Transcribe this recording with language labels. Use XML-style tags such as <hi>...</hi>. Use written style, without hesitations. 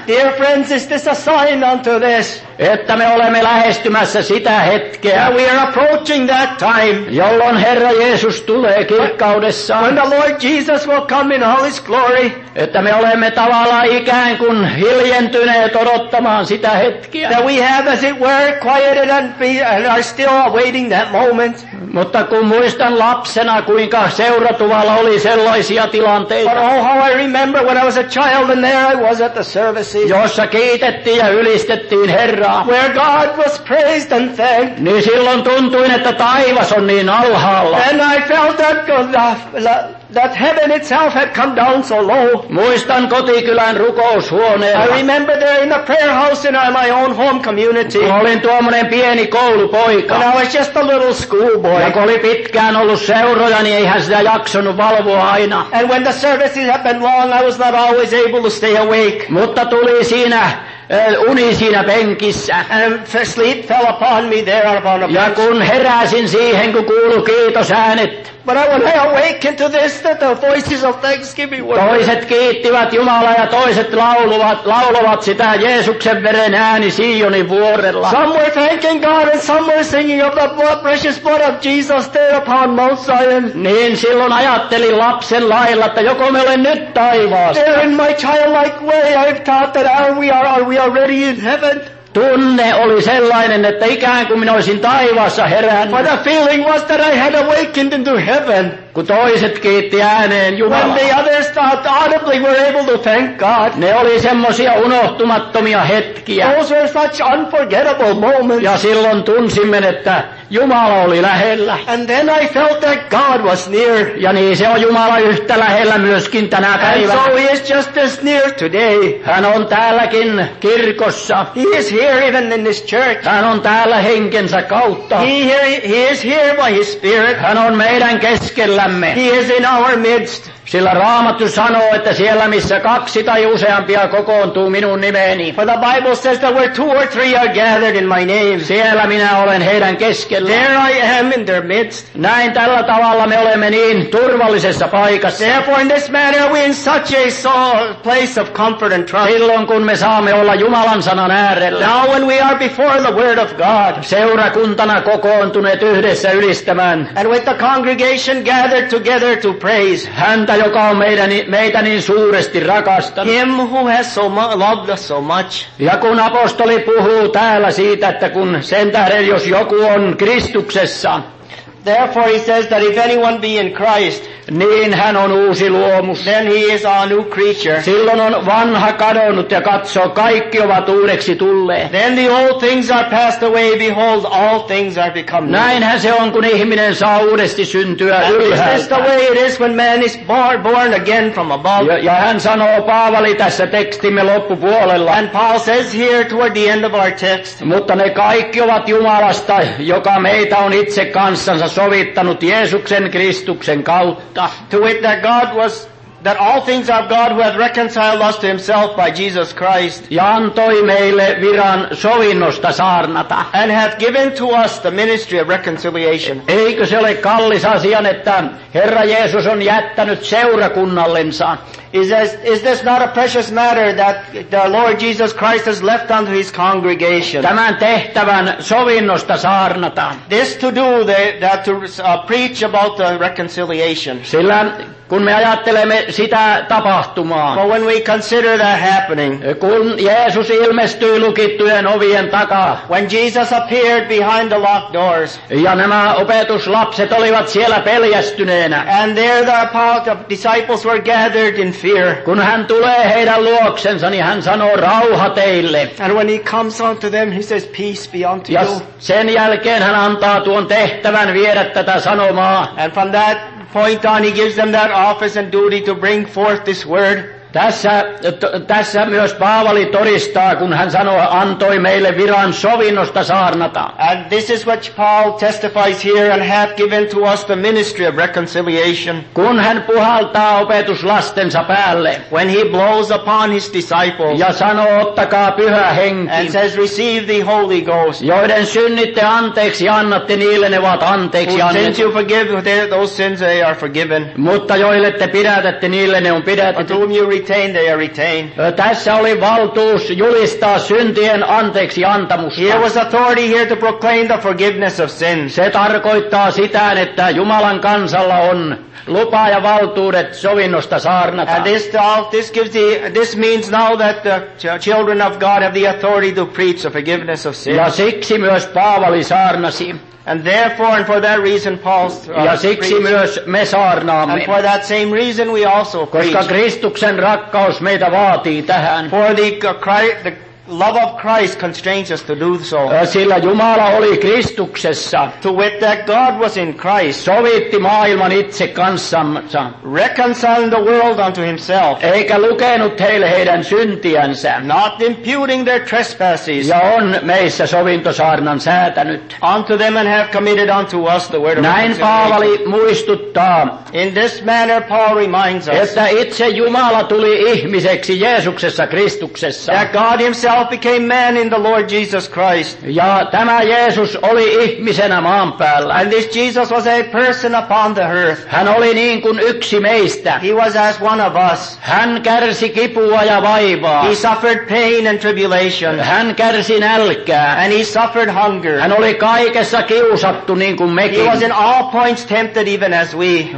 <en>Dear friends, is this a sign unto this?</en> <fi>Että me olemme lähestymässä sitä hetkeä.</fi> <en>Yeah, we are approaching that time.</en> <fi>Jolloin Herra Jeesus tulee kirkkaudessaan.</fi> <en>When the Lord Jesus will come in all his glory.</en> <fi>Että me olemme tavallaan ikään kuin hiljentyneet odottamaan sitä hetkeä.</fi> <en>That we have as it were quieted and are still awaiting that moment.</en> <fi>Mutta kun muistan lapsena, kuinka seuratuvalla oli sellaisia tilanteita.</fi> <en>But oh, how I remember when I was a child and there I was at the services.</en> <fi>Jossa kiitettiin ja ylistettiin Herraa.</fi> <en>Where God was praised and thanked.</en> <fi>Niin silloin tuntui, että taivas on niin alhaalla.</fi> <en>And I felt that God that heaven itself had come down so low.</en> <fi>Muistan kotikylän rukoushuoneella.</fi> <en>I remember there in the prayer house in my own home community.</en> <fi>Kun olin tuommoinen pieni koulupoika.</fi> <en>And I was just a little schoolboy.</en> <fi>Ja kun oli pitkään ollut seuroja, niin eihän sitä jaksanut valvoa aina.</fi> <en>And when the services had been long, I was not always able to stay awake.</en> <fi>Mutta tuli siinä uni siinä penkissä.</fi> <en>And sleep fell upon me there upon a bench.</en> <fi>Ja kun heräsin siihen, kun kuului kiitosäänet.</fi> <en>But when I awakened to this, that the voices of thanksgiving were.</en> <fi>Toiset kiittivät Jumalaa ja toiset lauluvat sitä Jeesuksen veren ääni Siionin vuorella.</fi> <en>Some were thanking God and some were singing of the blood, precious blood of Jesus there upon Mount Zion.</en> <fi>Niin silloin ajattelin lapsen lailla, että joko me olen nyt taivaassa.</fi> <en>There in my childlike way I've thought that we are already in heaven.</en> <fi>Tunne oli sellainen, että ikään kuin minä olisin taivaassa herännyt.</fi> <en>But the feeling was that I had awakened into heaven.</en> <fi>Kun toiset kiitti ääneen Jumala.</fi> <en>When the others thought audibly were able to thank God.</en> <fi>Ne oli semmoisia unohtumattomia hetkiä.</fi> <en>Those were such unforgettable moments.</en> <fi>Ja silloin tunsimme, että Jumala oli lähellä.</fi> <en>And then I felt that God was near.</en> <fi>Ja niin se on Jumala yhtä lähellä myöskin tänä päivänä.</fi> <en>And so he is just as near today.</en> <fi>Hän on täälläkin kirkossa.</fi> <en>He is here even in this church.</en> <fi>Hän on täällä henkensä kautta.</fi> <en>He is here by his spirit.</en> <fi>Hän on meidän keskellämme.</fi> <en>He is in our midst.</en> <fi>Sillä Raamattu sanoo, että siellä missä kaksi tai useampia kokoontuu minun nimeeni.</fi> <en>For the Bible says that where two or three are gathered in my name.</en> <fi>Siellä minä olen heidän keskellä.</fi> <en>There I am in their midst.</en> <fi>Näin tällä tavalla me olemme niin turvallisessa paikassa.</fi> <en>Therefore in this manner we in such a place of comfort and trust.</en> <fi>Silloin kun me saamme olla Jumalan sanan äärellä.</fi> <en>Now when we are before the word of God.</en> <fi>Seurakuntana kokoontuneet yhdessä ylistämään.</fi> <en>And with the congregation gathered together to praise.</en> <fi>Häntä, joka on meitä niin suuresti rakastanut.</fi> <en>Him who has so loved us so much.</en> <fi>Ja kun apostoli puhuu täällä siitä, että kun sen tähden, jos joku on Kristuksessa.</fi> <en>Therefore he says that if anyone be in Christ.</en> <fi>Niin hän on uusi luomus.</fi> <en>Then he is a new creature.</en> <fi>Silloin on vanha kadonnut ja katsoo, kaikki ovat uudeksi tulleet.</fi> <en>Then the old things are passed away, behold, all things are become new.</en> <fi>Näinhän se on, kun ihminen saa uudesti syntyä ylhäältä.</fi> <en>Is this the way it is when man is born again from above?</en> <fi>Ja hän sanoo, Paavali, tässä tekstimme loppupuolella.</fi> <en>And Paul says here toward the end of our text.</en> <fi>Mutta ne kaikki ovat Jumalasta, joka meitä on itse kanssansa sovittanut Jeesuksen Kristuksen kautta.</fi> <en>To wit that God was, that all things are of God who hath reconciled us to himself by Jesus Christ.</en> <fi>Ja antoi meille viran sovinnosta saarnata.</fi> <en>And hath given to us the ministry of reconciliation.</en> <fi>Eikö se ole kallis asia, että Herra Jeesus on jättänyt seurakunnallensa?</fi> <en>Is this not a precious matter that the Lord Jesus Christ has left unto his congregation?</en> <fi>Tämän tehtävän sovinnosta saarnata.</fi> <en>This to do, that to preach about the reconciliation.</en> <fi>Sillä kun me ajattelemme sitä tapahtumaa.</fi> <en>But when we consider that happening.</en> <fi>Kun Jeesus ilmestyi lukittujen ovien takaa.</fi> <en>When Jesus appeared behind the locked doors.</en> <fi>Ja nämä opetuslapset olivat siellä peljästyneenä.</fi> <en>And there the disciples were gathered in fear.</en> <fi>Kun hän tulee heidän luoksensa, niin hän sanoo, rauha teille.</fi> <en>And when he comes unto them, he says, peace be unto you.</en> <fi>Ja sen jälkeen hän antaa tuon tehtävän viedä tätä sanomaa.</fi> <en>And from that point on, he gives them that office and duty to bring forth this word.</en> <fi>Tässä myös Paavali todistaa, kun hän sanoo, antoi meille viran sovinnosta saarnata.</fi> <en>And this is what Paul testifies here and hath given to us the ministry of reconciliation.</en> <fi>Kun hän puhaltaa opetuslastensa päälle.</fi> <en>When he blows upon his disciples.</en> <fi>Ja sanoo, ottakaa pyhä henki.</fi> <en>And says, receive the Holy Ghost.</en> <fi>Joiden synnit te anteeksi annatte, niille ne ovat anteeksi annettu.</fi> <en>Since you forgive those sins, they are forgiven.</en> <fi>Mutta joille te pidätätte, niille ne on pidätetty.</fi> <en>Retained, they are retained.</en> <fi>Tässä oli valtuus julistaa syntien anteeksi antamusta.</fi> <en>Here was authority here to proclaim the forgiveness of sins.</en> <fi>Se tarkoittaa sitä, että Jumalan kansalla on lupa ja valtuudet sovinnosta saarnata.</fi> <en>And this means now that the children of God have the authority to preach the forgiveness of sins.</en> <fi>Ja siksi myös Paavali saarnasi.</fi> <en>And therefore, and for that reason, Paul's</en> <fi>ja siksi myös me saarnaamme.</fi> <en>And for that same reason, we also preach.</en> <fi>Koska Kristuksen rakkaus meitä vaatii tähän.</fi> <en>For the love of Christ constrains us to do so.</en> <fi>Sillä Jumala oli Kristuksessa.</fi> <en>To wit that God was in Christ.</en> <fi>Sovitti maailman itse kanssansa.</fi> <en>Reconciling the world unto himself.</en> <fi>Eikä lukenut heille heidän syntiänsä.</fi> <en>Not imputing their trespasses.</en> <fi>Ja on meissä sovintosaarnan säätänyt.</fi> <en>Unto them and have committed unto us the word of reconciliation.</en> <fi>Näin Paavali muistuttaa.</fi> <en>In this manner Paul reminds us.</en> <fi>Että itse Jumala tuli ihmiseksi Jeesuksessa Kristuksessa.</fi> <en>That God himself himself became man in the Lord Jesus Christ.</en> <fi>Ja tämä Jeesus oli ihmisenä maan päällä.</fi> <en>And this Jesus was a person upon the earth.</en> <fi>Hän oli niin kuin yksi meistä.</fi> <en>He was as one of us.</en> <fi>Hän kärsi kipua ja vaivaa.</fi> <en>He suffered pain and tribulation.</en> <fi>Hän kärsi nälkää.</fi> <en>And he suffered hunger.</en> <fi>Hän oli kaikessa kiusattu niin kuin mekin.</fi> <en>He was in all points tempted even as we.</en>